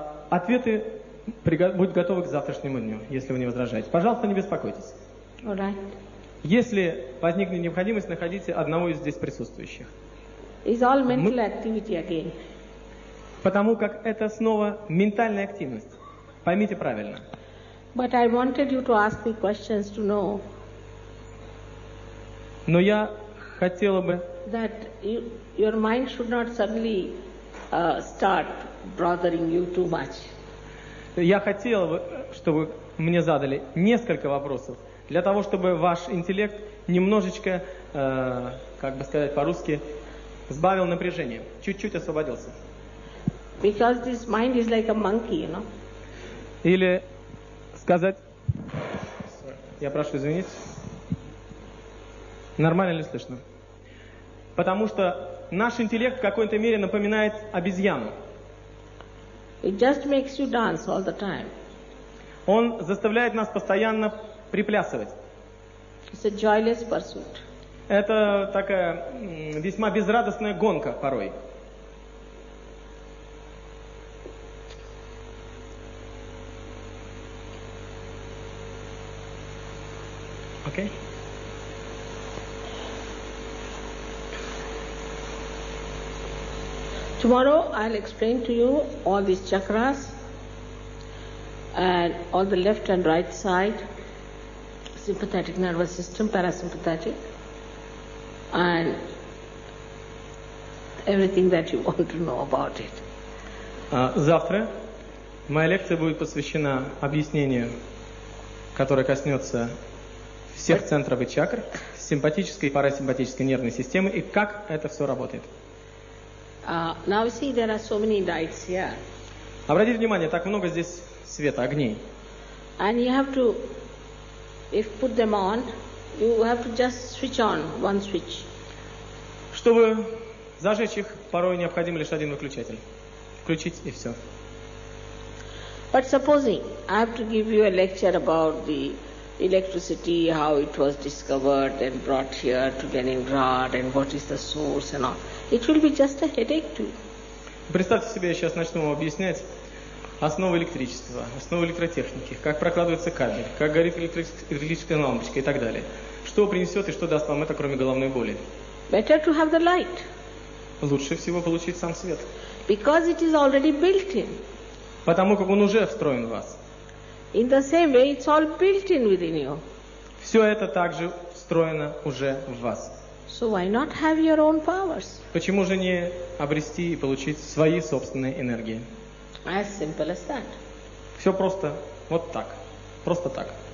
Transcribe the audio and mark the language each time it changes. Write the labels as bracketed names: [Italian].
[Russian] Ответы будут готовы к завтрашнему дню, если вы не возражаете. Пожалуйста, не беспокойтесь. [English] All right. [Russian] Если возникнет необходимость, находите одного из здесь присутствующих. [English] It's all mental activity again. [Russian] Потому как это снова ментальная активность. Поймите правильно. [English] But I wanted you to ask me questions to know. [Russian] Но я хотела бы. [English] That you, your mind should not suddenly start bothering you too much. [Russian] Я хотела бы, чтобы мне задали несколько вопросов. Для того, чтобы ваш интеллект немножечко, как бы сказать по-русски, сбавил напряжение, чуть-чуть освободился. [English] Because this mind is like a monkey, you know? [Russian] Или сказать, я прошу извинить, нормально ли слышно? Потому что наш интеллект в какой-то мере напоминает обезьяну. [English] It just makes you dance all the time. [Russian] Он заставляет нас постоянно приплясывать. [English] It's a joyless pursuit. [Russian] Это такая весьма безрадостная гонка порой. Окей. [English] Tomorrow I'll explain to you all these chakras and all the left and right side. Sympathetic nervous system, parasympathetic, and everything that you want to know about it. [Russian] Завтра моя лекция будет посвящена объяснению, которое коснется всех центров и чакр, симпатической и парасимпатической нервной системы и как это все работает. [English] Now see, there are so many lights here. [Russian] Обратите внимание, так много здесь света, огней. [English] And you have to. If put them on, you have to just switch on one switch. [Russian] Чтобы зажечь их, порой необходим лишь один выключатель. Включить и все. [English] But supposing I have to give you a lecture about the electricity, how it was discovered and brought here to Leningrad, and what is the source and all, it will be just a headache too. [Russian] Представьте себе, я сейчас начну вам объяснять. Основы электричества, основы электротехники, как прокладывается кабель, как горит электрическая лампочка и так далее. Что принесет и что даст вам это, кроме головной боли? [English] Better to have the light. [Russian] Лучше всего получить сам свет. [English] Because it is already built in. [Russian] Потому как он уже встроен в вас. [English] In the same way, it's all built in within you. [Russian] Все это также встроено уже в вас. [English] So why not have your own powers? [Russian] Почему же не обрести и получить свои собственные энергии? [English] As simple as that. [Russian] Все просто, вот так, просто так.